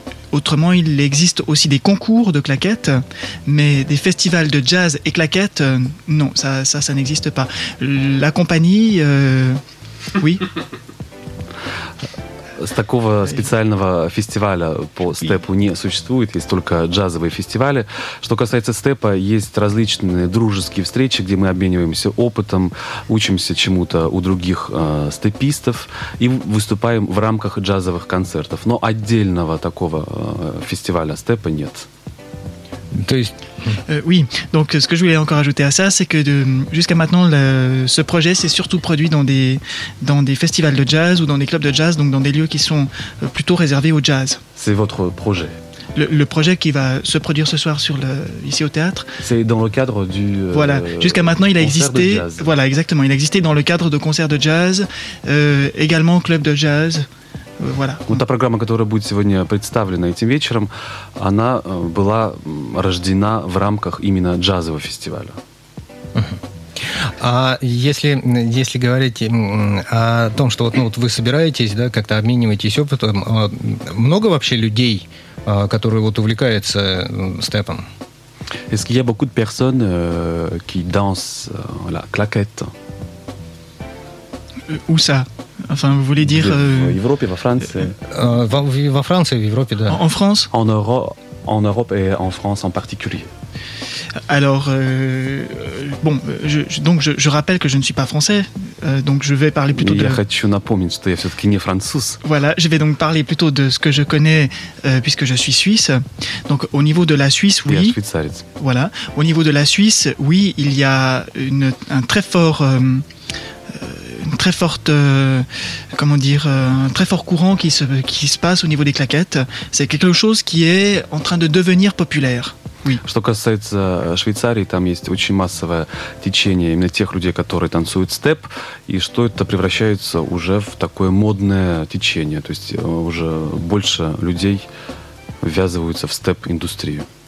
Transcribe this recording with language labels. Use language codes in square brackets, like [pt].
[fr] Autrement, il existe aussi des concours de claquettes, mais des festivals de jazz et claquettes, non, ça n'existe pas. La compagnie, oui. [ru] С такого специального фестиваля по степу не существует, есть только джазовые фестивали. Что касается степа, есть различные дружеские встречи, где мы обмениваемся опытом, учимся чему-то у других степистов и выступаем в рамках джазовых концертов. Но отдельного такого фестиваля степа нет. То есть... [fr] Oui, donc ce que je voulais encore ajouter à ça, c'est que jusqu'à maintenant, ce projet s'est surtout produit dans des festivals de jazz ou dans des clubs de jazz, donc dans des lieux qui sont plutôt réservés au jazz. C'est votre projet? Le projet qui va se produire ce soir ici au théâtre. C'est dans le cadre du concert de jazz. Voilà, jusqu'à maintenant, il a existé. Voilà, exactement, il a existé dans le cadre de concerts de jazz, également clubs de jazz. Voilà. [ru] Та программа, которая будет сегодня представлена этим вечером, она была рождена в рамках именно джазового фестиваля. А если говорить о том, что вот, ну, вот вы собираетесь, да, как-то обмениваетесь опытом, много вообще людей, которые вот увлекаются степом? [fr] Est-ce qu'il y a beaucoup de personnes qui dansent la claquette? Où ça? Enfin, vous voulez dire... [ru] В Европе, во Франции. Во Франции, в Европе, да. [fr] En France? En Europe et en France en particulier. Alors, bon, je rappelle que je ne suis pas français, donc je vais parler plutôt [ru] Я хочу напомнить, что я все-таки не француз. [fr] Voilà, je vais donc parler plutôt de ce que je connais, puisque je suis suisse. Donc, au niveau de la Suisse, oui. [ru] Я швейцарец. [fr] Voilà, au niveau de la Suisse, oui, il y a un très fort... très forte, comment dire, un très fort courant qui se passe au niveau des claquettes. C'est quelque chose qui est en train de devenir populaire. Oui. [ru] Что касается Швейцарии, там есть очень массовое течение именно тех людей, которые танцуют степ, и что это превращается уже в такое модное течение, то есть уже больше людей ввязываются в степ-индустрию.